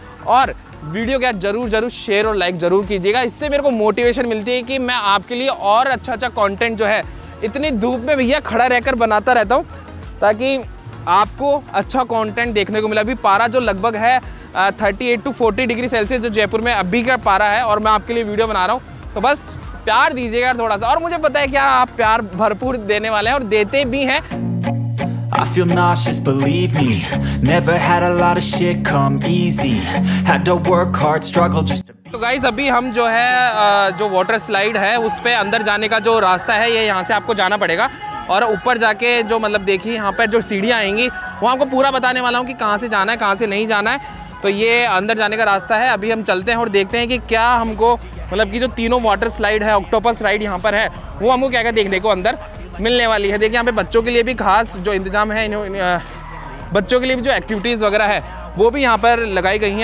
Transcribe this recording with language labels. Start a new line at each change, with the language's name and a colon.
Hindi: और वीडियो क्या जरूर शेयर और लाइक जरूर कीजिएगा, इससे मेरे को मोटिवेशन मिलती है कि मैं आपके लिए और अच्छा अच्छा कंटेंट जो है इतनी धूप में भैया खड़ा रहकर बनाता रहता हूँ ताकि आपको अच्छा कंटेंट देखने को मिले। अभी पारा जो लगभग है 38-40 डिग्री सेल्सियस जो जयपुर में अभी का पारा है और मैं आपके लिए वीडियो बना रहा हूँ, तो बस प्यार दीजिएगा थोड़ा सा। और मुझे पता है क्या, आप प्यार भरपूर देने वाले हैं और देते भी हैं।
English: I feel nauseous, believe me. Never had a lot of shit come easy. Had to work hard, struggle just to be.
Hindi: तो गाइस अभी हम जो है जो वाटर स्लाइड है उस पे अंदर जाने का जो रास्ता है ये यहाँ से आपको जाना पड़ेगा। और ऊपर जाके जो मतलब देखिए यहाँ पर जो सीढ़ियाँ आएंगी वो आपको पूरा बताने वाला हूँ कि कहाँ से जाना है कहाँ से नहीं जाना है। तो ये अंदर जाने का रास्ता है, अभी हम चलते हैं और देखते हैं कि क्या हमको मतलब कि जो तीनों वाटर स्लाइड है, ऑक्टोपस राइड यहाँ पर है, वो हमको क्या क्या देखने को अंदर मिलने वाली है। देखिए यहाँ पे बच्चों के लिए भी खास जो इंतजाम है, बच्चों के लिए भी जो एक्टिविटीज़ वगैरह है वो भी यहाँ पर लगाई गई हैं।